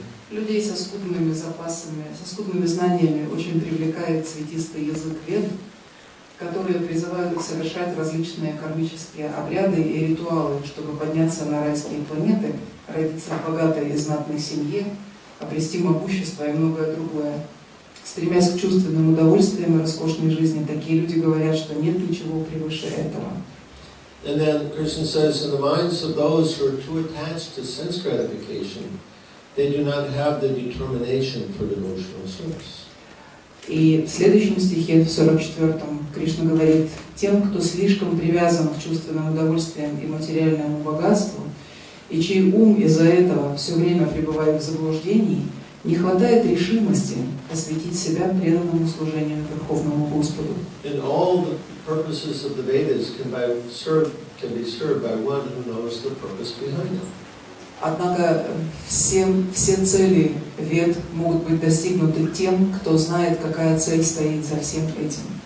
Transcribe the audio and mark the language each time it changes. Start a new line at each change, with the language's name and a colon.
Russian: Людей со скудными запасами, со скудными знаниями очень привлекает цветистый язык вед, которые призывают совершать различные кармические обряды и ритуалы, чтобы подняться на райские планеты, родиться в богатой и знатной семье, обрести могущество и многое другое. Стремясь к чувственным удовольствиям и роскошной жизни, такие люди говорят, что нет ничего превыше этого.
English: And then Krishna says, in the minds of those who are too attached to sense gratification, they do not have the determination for devotional service.
Russian: И в следующем стихе, в 44-м, Кришна говорит, тем, кто слишком привязан к чувственным удовольствиям и материальному богатству, и чей ум из-за этого все время пребывает в заблуждении, не хватает решимости посвятить себя преданному служению Верховному Господу.
English: And all the purposes of the Vedas can be served by one who knows the purpose behind them.
Russian: Однако все цели Вед могут быть достигнуты тем, кто знает, какая цель стоит за всем этим.